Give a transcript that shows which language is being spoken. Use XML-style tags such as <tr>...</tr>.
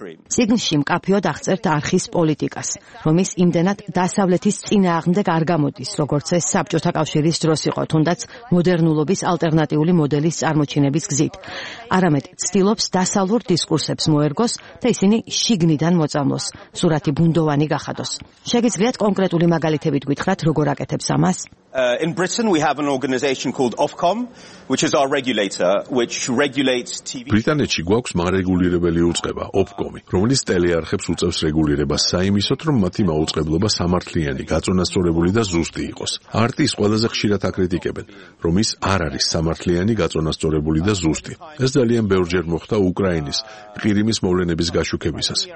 <ka>ციგნში მკაფიოდ აღწერთ არხის პოლიტიკას, რომ ის იმდენად დასავლეთის წინააღმდეგ არ გამოდის, როგორც ეს საბჭოთა კავშირის დროს იყო, თუნდაც მოდერნულობის ალტერნატიული მოდელის წარმოჩინების გზით. არამედ ცდილობს დასავლურ დისკურსებს მოერგოს და ისინი შიგნიდან მოწამლოს, სურათი ბუნდოვანი გახადოს. შეგიძლიათ კონკრეტული მაგალითებით გვითხრათ, როგორ აკეთებს ამას?</ka> <en>In Britain we have an organization called Ofcom which is our regulator which regulates TV.</en> <ka>ბრიტანეთში გვაქვს მარეგულირებელი უწყება Ofcom-ი, რომელიც ტელეარხებს უწევს რეგულირებას საიმისოდ, რომ მათი მაუწყებლობა სამართლიანი, გაწონასწორებული და ზუსტი იყოს. არტის ყველაზე ხშირად აკრიტიკებენ, რომ ის არ არის სამართლიანი, გაწონასწორებული და ზუსტი. ეს ძალიან ბევრჯერ მოხდა უკრაინის, ყირიმის მოვლენების გაშუქებისას.</ka>